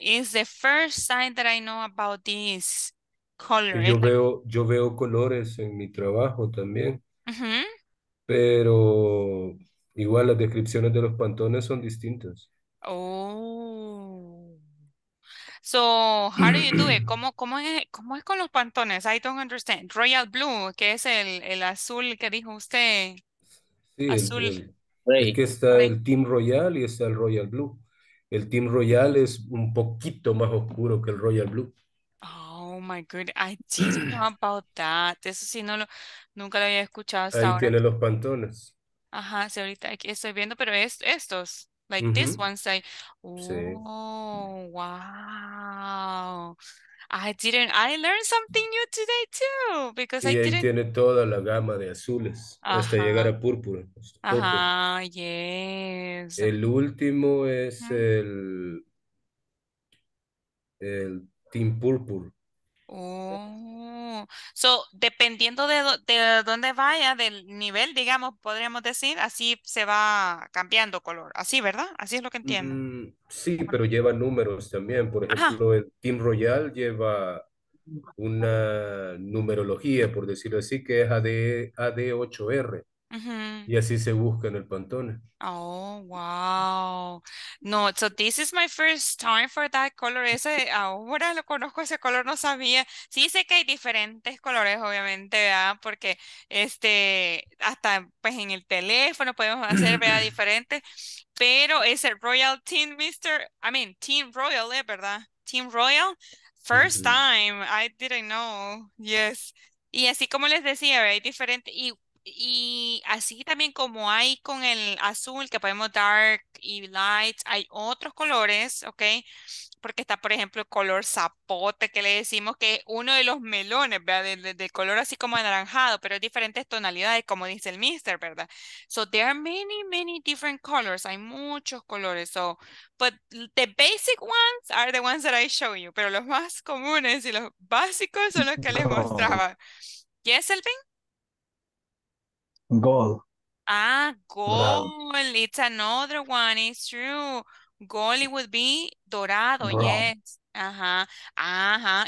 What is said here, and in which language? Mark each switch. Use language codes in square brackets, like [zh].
[en] It's the first sign that I know about this color. [es] Yo veo colores en mi trabajo también. Pero igual las descripciones de los pantones son distintas. [en] Oh. So, how do you do it? [es] ¿Cómo es con los pantones? [en] I don't understand. [es] Royal blue, que es el azul que dijo usted. Sí, azul. Es que está el Team Royal y está el Royal Blue. El Team Royal es un poquito más oscuro que el Royal Blue. [en] Oh my goodness, I didn't know about that. [es] Eso sí, nunca lo había escuchado hasta ahí ahora. Ahí tiene los pantones. Ajá, sí, ahorita aquí estoy viendo, pero estos. [en] Like this one say, oh, wow. I learned something new today too, because y I didn't. [es] Y tiene toda la gama de azules, ajá, hasta llegar a púrpura. Ajá, yes. El último es el Team Purple. Oh, so dependiendo de dónde vaya, del nivel, digamos, podríamos decir, así se va cambiando color. Así, ¿verdad? Así es lo que entiendo. Sí, pero lleva números también. Por ejemplo, ajá, el Team Royal lleva una numerología, por decirlo así, que es AD8R. Y así se busca en el Pantone. [en] Oh, wow. No, so this is my first time for that color. [es] Ese, ahora lo conozco, ese color no sabía. Sí sé que hay diferentes colores, obviamente, ¿verdad? Porque hasta pues en el teléfono podemos hacer, ¿verdad? Diferente. Pero es el Royal Team, Mr. [en] I mean, Team Royal, ¿verdad? Team Royal. First time. I didn't know. Yes. [es] Y así como les decía, ¿verdad? Hay diferentes. Y así también como hay con el azul que podemos dark y light, hay otros colores, ¿ok? Porque está, por ejemplo, el color zapote, que le decimos que es uno de los melones, ¿verdad? De color así como anaranjado, pero diferentes tonalidades, como dice el mister, ¿verdad? [en] So, there are many, many different colors. [es] Hay muchos colores. [en] So, but the basic ones are the ones that I show you. [es] Pero los más comunes y los básicos son los que les mostraba. ¿Yes, Elvin? Gold. Ah, gold. Wow. It's another one. It's true. Gold, it would be dorado. Brown. Yes. Ajá. Ajá.